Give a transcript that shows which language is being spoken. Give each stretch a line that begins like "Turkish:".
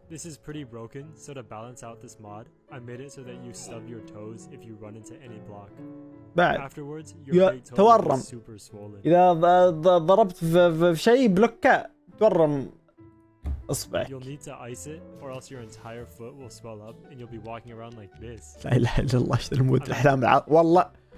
English: This is pretty broken, so to balance out this mod, I made it so that you stub your toes if you run into any block.
Arabic: بعد.
English: Afterwards, your feet
Arabic: تورم.
English: Super swollen.
Arabic: إذا ضربت في شيء بلوكة تورم اصبعك.
English: You'll need to ice it or else your entire foot will swell up and you'll be walking around like this.
Arabic: لا إله إلا الله شو الموت الأحلام والله.